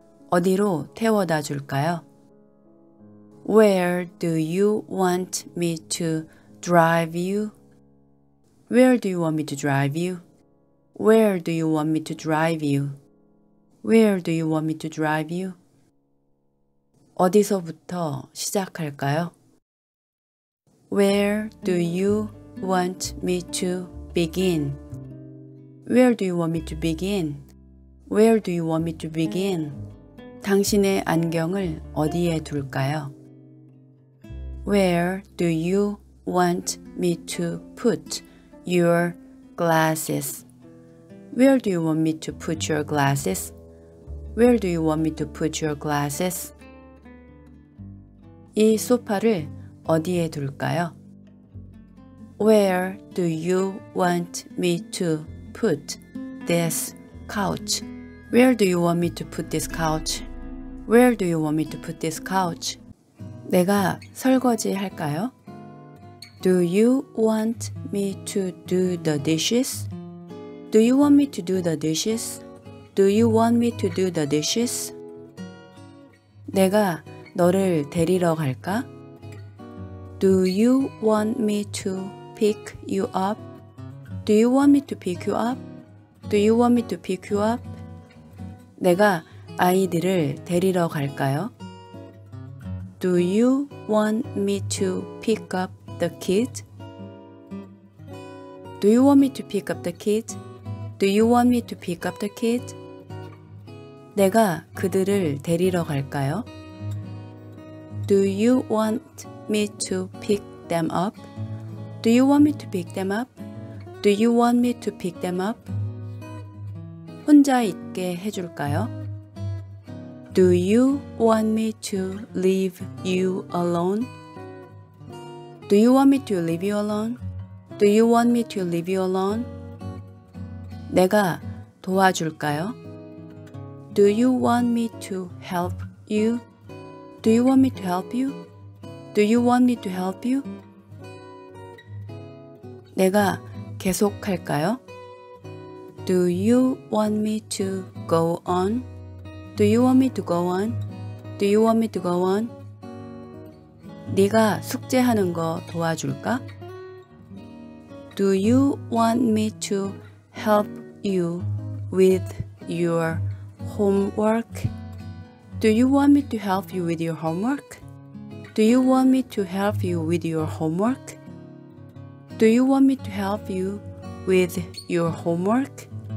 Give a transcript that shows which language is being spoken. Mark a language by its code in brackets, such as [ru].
[ko] 어디로 태워다 줄까요? [en] Where do you want me to drive you? Where do you want me to drive you? Where do you want me to drive you? Where do you want me to drive you? [ko] 어디서부터 시작할까요? [en] Where do you want me to begin? Where do you want me to begin? Where do you want me to begin? [ko] 당신의 안경을 어디에 둘까요? [en] Where do you want me to put your glasses? Where do you want me to put your glasses? Where do you want me to put your glasses? [ko] 이 소파를 어디에 둘까요? [en] Where do you want me to put this couch? Where do you want me to put this couch? Where do you want me to put this couch? [ko] 내가 설거지 할까요? [en] Do you want me to do the dishes? Do you want me to do the dishes? Do you want me to do the dishes? [ko] 내가 너를 데리러 갈까? [en] Do you want me to pick you up? Do you want me to pick you up? Do you want me to pick you up? [ko] 내가 아이들을 데리러 갈까요? [en] Do you want me to pick up the kid? Do you want me to pick up the kid? Do you want me to pick up the kid? [ko] 내가 그들을 데리러 갈까요? [en] Do you want me to pick them up? Do you want me to pick them up? Do you want me to pick them up? [ko] 혼자 있게 해줄까요? [en] Do you want me to leave you alone? Do you want me to leave you alone? Do you want me to leave you alone? [ko] 내가 도와줄까요? [en] Do you want me to help you? Do you want me to help you? Do you want me to help you? [ko] 내가 계속할까요? [en] Do you want me to go on? Do you want me to go on? Do you want me to go on? [ko] 네가 숙제하는 거 도와줄까? [en] Do you want me to help you with your homework? Do you want me to help you with your homework? Do you want me to help you with your homework? Do you want me to help you with your homework?